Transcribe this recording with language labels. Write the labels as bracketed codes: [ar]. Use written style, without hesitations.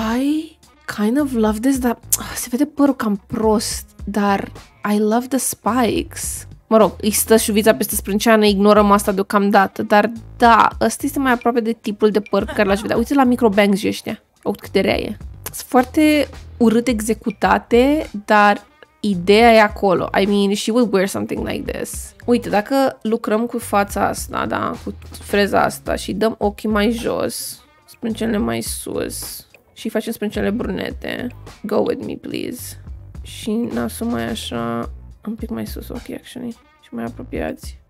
[en] I kind of love this, [ro] dar se vede părul cam prost, dar [en] I love the spikes. [ro] Mă rog, îi stă șuvița peste sprânceană, ignorăm asta deocamdată, dar da, ăsta este mai aproape de tipul de păr pe care l-aș vedea. Uite la microbangs-ii ăștia, uite cât de rea e. Sunt foarte urât executate, dar ideea e acolo. [en] I mean, she would wear something like this. [ro] Uite, dacă lucrăm cu fața asta, da, cu freza asta și dăm ochii mai jos, sprâncenele mai sus... și facem sprâncele brunete. [en] Go with me, please. [ro] Și nasul mai așa, un pic mai sus, ok, actually. Și mai apropiați.